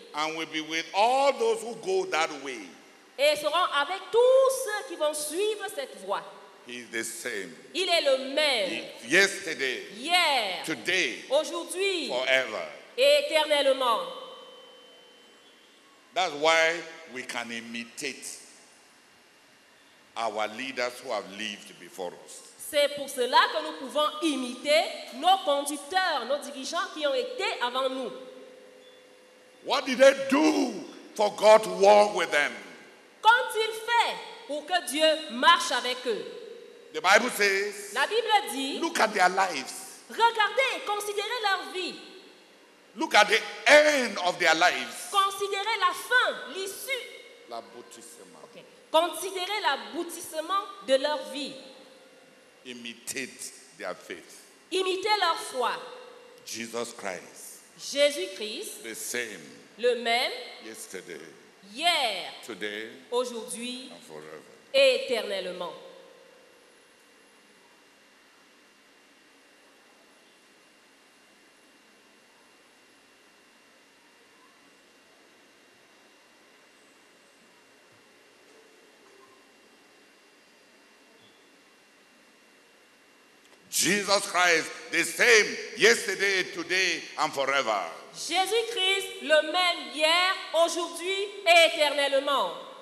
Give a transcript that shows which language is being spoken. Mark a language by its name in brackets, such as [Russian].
[English] And will be with all those who go that way. [French] Et seront avec tous ceux qui vont suivre cette voie. [English] He's the same. [French] Il est le même. [English] Yesterday. [French] Hier. [English] Today. [French] Aujourd'hui. [English] Forever. [French] Éternellement. [English] That's why we can imitate our leaders who have lived before us. [French] C'est pour cela que nous pouvons imiter nos conducteurs, nos dirigeants qui ont été avant nous. [English] What did they do for God to walk with them? [French] Qu'ont-ils fait pour que Dieu marche avec eux? [English] The Bible says, [French] la Bible dit, [English] look at their lives. [French] Regardez et considérez leur vie. [English] Look at the end of their lives. [French] Considérez la fin, l'issue. L'aboutissement. Okay. Considérez l'aboutissement de leur vie. [English] Imitate their faith. [French] Imitez leur foi. [English] Jesus Christ. [French] Jésus-Christ. [English] The same. [French] Le même. [English] Yesterday. [French] Hier. [English] Today. [French] Aujourd'hui. [English] And forever. [French] Et éternellement. [English] Jesus Christ, the same yesterday, today, and forever. [French] Jésus-Christ, le même hier, aujourd'hui et éternellement.